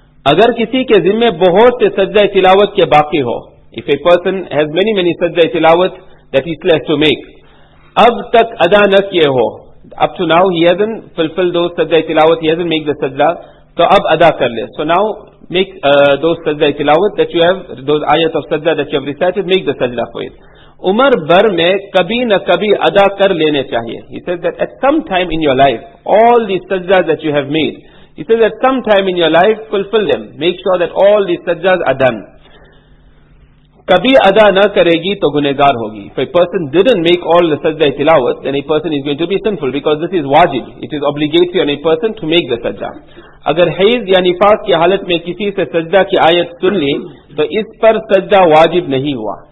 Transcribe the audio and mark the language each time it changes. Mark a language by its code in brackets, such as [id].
[ur] Agar kisi ke zimme bohot se sajda tilawat ke baqi ho, [en] if a person has many sajda tilawat that he still has to make, [ur] ab tak ada na kiye ho, [en] up to now he hasn't fulfilled those sajda tilawat, he hasn't made the sajda, [ur] to ab ada kar le. [en] So now make those sajda tilawat that you have, those ayat of sajda that you have recited, make the sajda for it. [ur] عمر بھر میں کبھی نہ کبھی ادا کر لینے چاہیے. [en] He says that at some time in your life, all these sajdas that you have made, he says at some time in your life, fulfill them. Make sure that all these sajdas are done. [ur] کبھی ادا نہ کرے گی تو گنہگار ہوگی. [en] If a person didn't make all the sajda tilawat, then a person is going to be sinful, because this is wajib. It is obligatory on a person to make the sajda. [ur] اگر حیض یا نفاس کی حالت میں کسی سے سجدہ کی آیت سن لی تو اس پر سجدہ واجب نہیں ہوا.